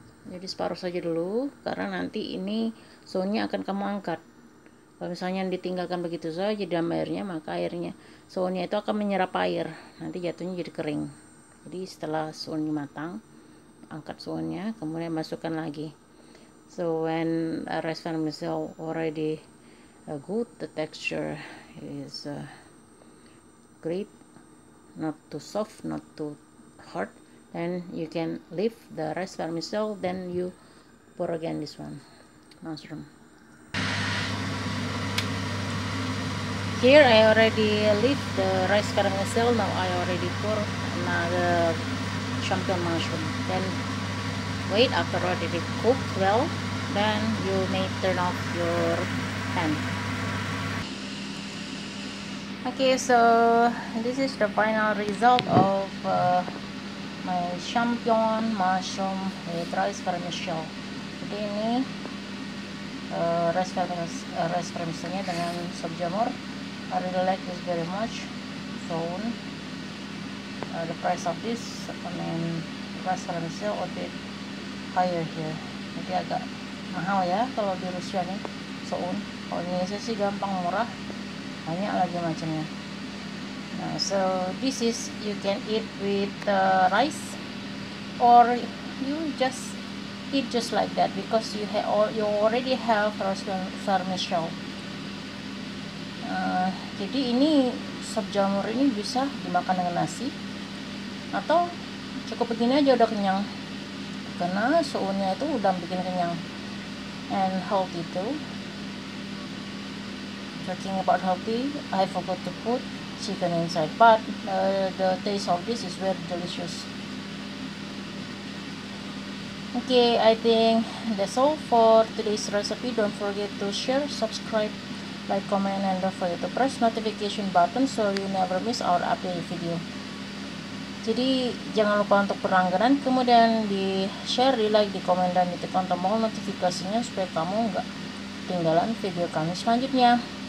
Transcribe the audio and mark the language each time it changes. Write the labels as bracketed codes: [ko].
[id] Jadi separuh saja dulu, karena nanti ini soalnya akan kamu angkat. Kalau misalnya ditinggalkan begitu saja di dalam airnya, maka airnya soalnya itu akan menyerap air, nanti jatuhnya jadi kering. Jadi setelah soalnya matang, angkat soalnya, kemudian masukkan lagi. [en] So when a rice vermicelli already good, the texture is great, not too soft, not too hard, then you can leave the rice vermicelli, then you pour again this one, mushroom. Here I already leave the rice vermicelli, now I already pour another champignon mushroom. Then wait after already cooked well, then you may turn off your pan. Okay, so this is the final result of my champignon mushroom with rice vermicelli. [id] Jadi ini rice vermicellinya dengan sop jamur. [en] I really like this very much. So the price of this, I mean rice vermicelli, a bit higher here. [id] Jadi agak mahal ya kalau di Rusia nih. So kalau di Indonesia sih gampang murah. Banyak lagi macamnya. [en] Nah, so this is you can eat with rice, or you just eat just like that because you have you already have rice vermicelli. [id] Jadi ini sop jamur ini bisa dimakan dengan nasi atau cukup begini aja udah kenyang, karena soalnya itu udah bikin kenyang [en] and healthy too. Talking about healthy, I forgot to put chicken inside, but the taste of this is very delicious. Okay, I think that's all for today's recipe. Don't forget to share, subscribe, like, comment, and don't forget to press notification button so you never miss our update video. [id] Jadi jangan lupa untuk berlangganan, kemudian di share, di like, di komen, dan ditekan tombol notifikasinya supaya kamu nggak ketinggalan video kami selanjutnya.